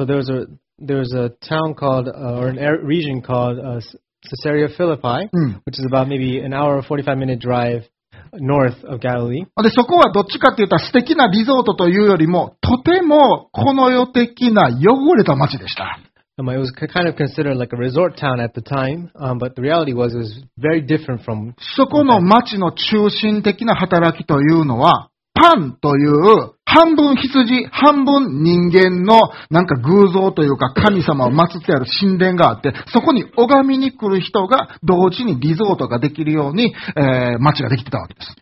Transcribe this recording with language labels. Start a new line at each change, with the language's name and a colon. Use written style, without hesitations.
English: So there's a town called, or an region called, Caesarea Philippi, which is about maybe an hour or 45 minute drive north of Galilee.
Japanese: で、そこはどっちかって言ったら素敵なリゾートというよりも、とてもこの世的な汚れた町でした。
English: It was kind of considered like a resort town at the time, but the reality was it was very different from.
Japanese: そこの町の中心的な働きというのは、パンという半分羊、半分人間のなんか偶像というか神様を祀ってある神殿があって、そこに拝みに来る人が同時にリゾートができるように、町ができてたわけです。